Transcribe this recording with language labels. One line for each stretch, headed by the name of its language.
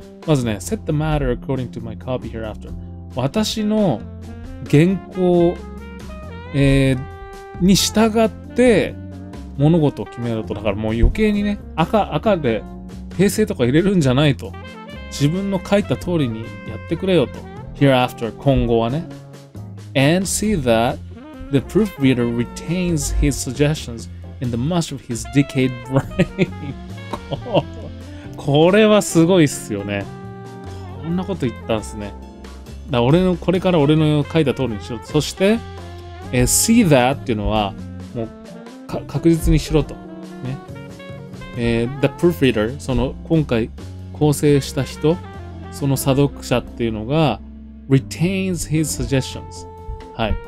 English: まずね、Set the matter according to my copy hereafter。
Japanese: 私の原稿、に従って物事を決めると、だからもう余計にね、赤で訂正とか入れるんじゃないと、自分の書いた通りにやってくれよと。
English: Hereafter
Japanese: 今後はね、
English: And see that the proofreader retains his suggestions in the much of his decayed brain
Japanese: これはすごいっすよね。こんなこと言ったんすね。だから俺のこれから俺の書いた通りにしろと。そして、
English: see that
Japanese: っていうのは、もう、確実にしろと。ね。the proofreader、その、今回、構成した人、その査読者っていうのが、
English: retains his suggestions。
Japanese: はい。